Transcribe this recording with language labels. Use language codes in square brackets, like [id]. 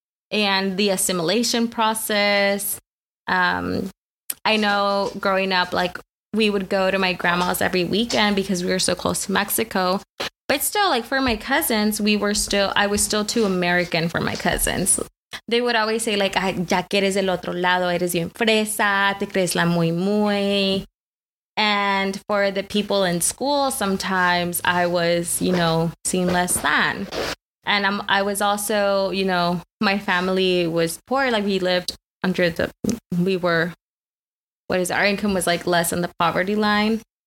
[en] And the assimilation process. I know growing up, like we would go to my grandma's every weekend because we were so close to Mexico. But still, like for my cousins, I was still too American for my cousins. They would always say like, [es] ya que eres del otro lado, eres bien fresa, te crees la muy muy. [en] And for the people in school, sometimes I was, you know, seen less than. And I was also, you know, my family was poor. Like our income was like less than the poverty line.